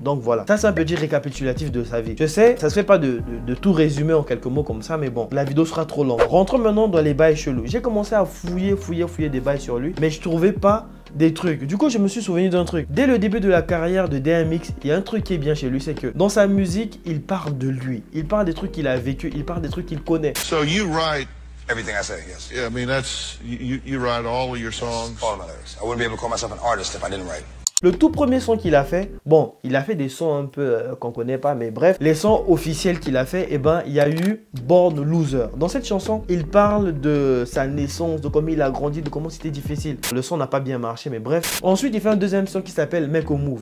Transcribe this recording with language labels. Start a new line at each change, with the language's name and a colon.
French: Donc voilà, ça c'est un petit récapitulatif de sa vie. Je sais, ça se fait pas de tout résumer en quelques mots comme ça, mais bon, la vidéo sera trop longue. Rentrons maintenant dans les bails chelous. J'ai commencé à fouiller des bails sur lui, mais je trouvais pas des trucs. Du coup, je me suis souvenu d'un truc. Dès le début de la carrière de DMX, il y a un truc qui est bien chez lui, c'est que dans sa musique, il parle de lui. Il parle des trucs qu'il a vécu, il parle des trucs qu'il connaît.
English: So you write everything I say, yes. Yeah, I mean, that's, you write all of your songs. All my lyrics. I wouldn't be able to call myself an artist if I didn't write.
French: Le tout premier son qu'il a fait, bon, il a fait des sons un peu qu'on connaît pas, mais bref, les sons officiels qu'il a fait, eh ben, il y a eu Born Loser. Dans cette chanson, il parle de sa naissance, de comment il a grandi, de comment c'était difficile. Le son n'a pas bien marché, mais bref. Ensuite, il fait un deuxième son qui s'appelle Make a Move.